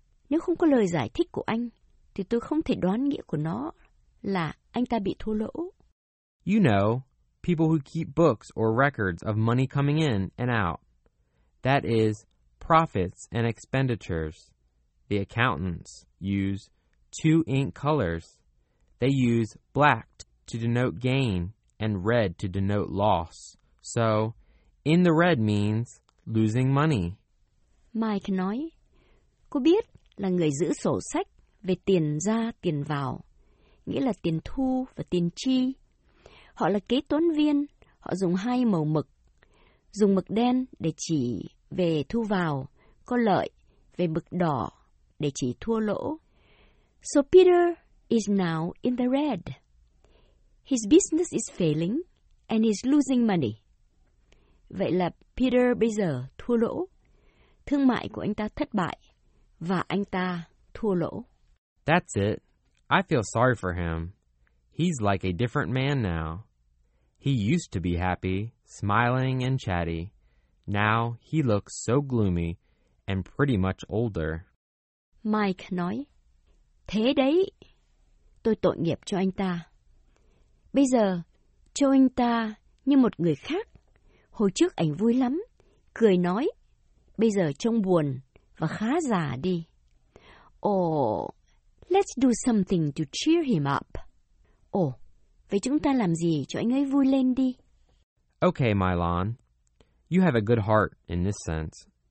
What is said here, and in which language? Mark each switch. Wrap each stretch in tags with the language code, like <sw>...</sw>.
<vi>Nếu không có lời giải thích của anh, thì tôi không thể đoán nghĩa của nó là anh ta bị thua lỗ.</vi> <en>You know, people who keep books or records of money coming in and out. That is, profits and expenditures. The accountants use 2 ink colors. They use black to denote gain and red to denote loss. So, in the red means losing money.</en> <vi>Mike nói, cô biết là người giữ sổ sách về tiền ra tiền vào, nghĩa là tiền thu và tiền chi. Họ là kế toán viên, họ dùng 2 màu mực. Dùng mực đen để chỉ về thu vào, có lợi, về mực đỏ để chỉ thua lỗ.</vi> <en>So Peter is now in the red. His business is failing and he's losing money.</en> <vi>Vậy là Peter bây giờ thua lỗ. Thương mại của anh ta thất bại và anh ta thua lỗ.</vi> <en>That's it. I feel sorry for him. He's like a different man now. He used to be happy, smiling and chatty. Now he looks so gloomy and pretty much older.</en> <vi>Mike nói, thế đấy, tôi tội nghiệp cho anh ta. Bây giờ, trông anh ta như một người khác. Hồi trước anh vui lắm, cười nói. Bây giờ trông buồn và khá già đi.</vi> <en>Oh, let's do something to cheer him up.</en> <vi>Oh, vậy chúng ta làm gì cho anh ấy vui lên đi?</vi> <en>Okay, Milan. You have a good heart in this sense.</en>